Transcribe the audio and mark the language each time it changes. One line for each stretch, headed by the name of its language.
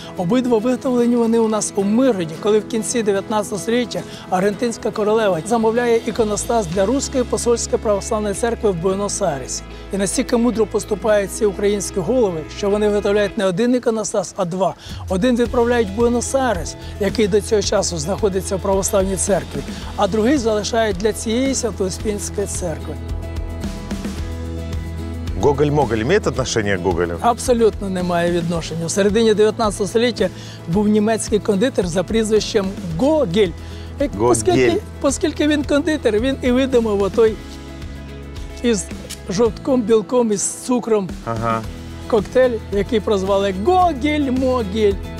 Ukrainian: Обидва виготовлені вони у нас у Миргороді, коли в кінці 19 століття аргентинська королева замовляє іконостас для Руської посольської православної церкви в Буенос-Айресі. І настільки мудро поступають ці українські голови, що вони виготовляють не один іконостас, а 2. Один відправляють в Буенос-Айрес, який до цього часу знаходиться в православній церкві, а другий залишають для цієї Святоуспінської церкви.
Russian: Гоголь-Моголь имеет отношение к Гоголю?
Ukrainian: Абсолютно немає відношення. В середині 19 століття був німецький кондитер за прізвищем Гогель. Оскільки він кондитер, він і видумав той із жовтком, білком, із цукром коктейль, який прозвали Гогель-Моголь.